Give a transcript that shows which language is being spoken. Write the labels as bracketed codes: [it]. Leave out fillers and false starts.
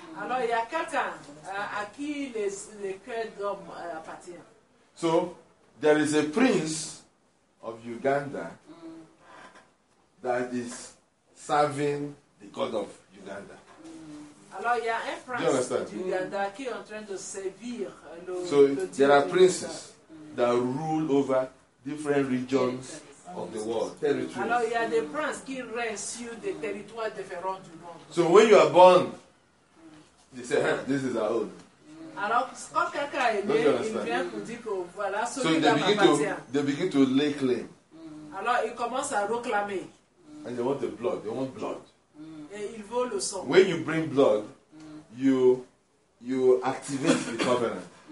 [fr] Alors, il y a quelqu'un à qui le cœur d'homme appartient. [en] So, there is a prince of Uganda that is serving the God of Uganda. [fr] Alors, il y a un prince d'Uganda qui est en train de servir le [en] So, there are princes that rule over different regions of the world, territories. [fr] Alors, il y a des princes qui règnent sur des territoires différents du monde. [en] So, when you are born, they say, hey, this is our own. [fr] Alors, quand quelqu'un est né, il vient pour dire que voilà, celui so [en] they begin to lay claim. [fr] Alors, ils commencent à réclamer. [en] And they want the blood. They want blood. [fr] Et ils veulent le sang. [en] When you bring blood, you activate the covenant.